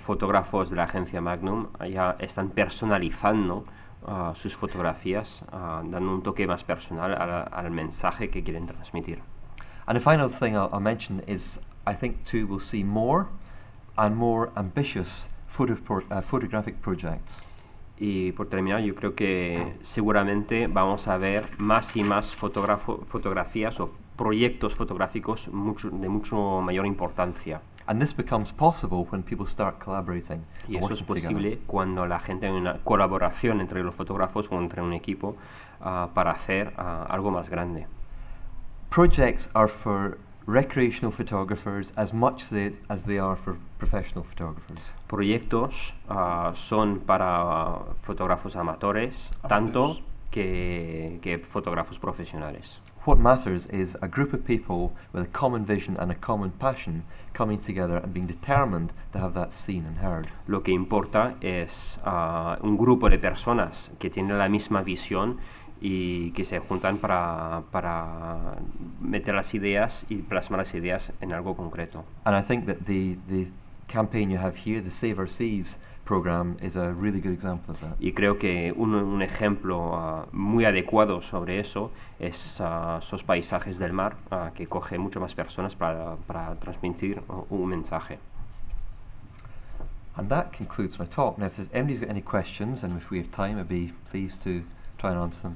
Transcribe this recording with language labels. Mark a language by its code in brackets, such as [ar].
[es] fotógrafos de la agencia Magnum ya están personalizando sus fotografías, dando un toque más personal al mensaje que quieren transmitir. [en] And the final thing I'll mention is, I think too we'll see more and more ambitious photographic projects. [es] Y por terminar, yo creo que seguramente vamos a ver más y más fotografías o proyectos fotográficos de mucho mayor importancia. [en] And this becomes possible when people start collaborating and [es] Y eso es [en] working together. [es] posible cuando la gente tiene una colaboración entre los fotógrafos o entre un equipo para hacer algo más grande. [en] Projects are for recreational photographers as much as they are for professional photographers. [es] Proyectos son para fotógrafos amateurs, tanto [en] Amateurs. [es] que fotógrafos profesionales. [en] What matters is a group of people with a common vision and a common passion coming together and being determined to have that seen and heard. [es] Lo que importa es un grupo de personas que tienen la misma visión y que se juntan para meter las ideas y plasmar las ideas en algo concreto. [en] And I think that the campaign you have here, the Save Our Seas program, is a really good example of that. [es] Y creo que un ejemplo muy adecuado sobre eso es esos paisajes del mar que coge mucho más personas para transmitir un mensaje. [en] And that concludes my talk. Now, if anybody's got any questions, and if we have time, I'd be pleased to try and answer them.